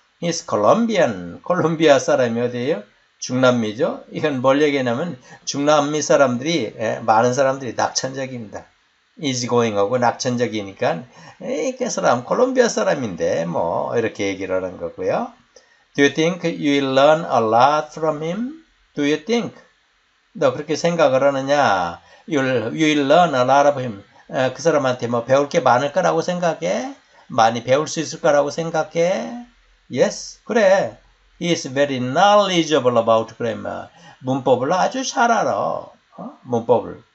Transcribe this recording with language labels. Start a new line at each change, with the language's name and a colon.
English: He's Colombian.
Korean: 콜롬비아 사람이 어디예요? 중남미죠? 이건 뭘 얘기냐면 중남미 사람들이 많은 사람들이 낙천적입니다. 이지고잉하고 낙천적이니까 에이, 그 사람 콜롬비아 사람인데 뭐 이렇게 얘기를 하는 거고요.
English: Do you think you'll learn a lot from him? Do you think?
Korean: 너 그렇게 생각을 하느냐?
English: You'll learn a lot of him.
Korean: 그 사람한테 뭐 배울 게 많을 거라고 생각해? 많이 배울 수 있을 거라고 생각해?
English: Yes,
Korean: 그래.
English: He is very knowledgeable about grammar.
Korean: 문법을 아주 잘 알아. 문법을.